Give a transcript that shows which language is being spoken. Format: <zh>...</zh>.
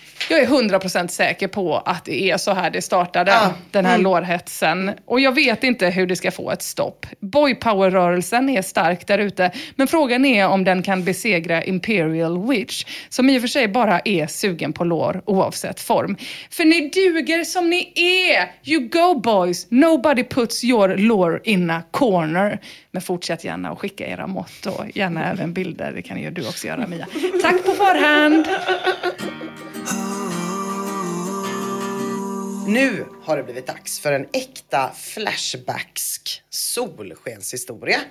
<sv>Jag är 100% säker på att det är så här det startade, den här lårhetsen. Och jag vet inte hur det ska få ett stopp. Boy Power-rörelsen är stark där ute. Men frågan är om den kan besegra Imperial Witch, som i och för sig bara är sugen på lår oavsett form. För ni duger som ni är!</sv> <en>You go boys! Nobody puts your lore in a corner.</en> <sv>Men fortsätt gärna att skicka era mått och gärna även bilder. Det kan ju du också göra, Mia. Tack på förhand! Nu har det blivit dags för en äkta flashbacksk solskenshistoria.</sv>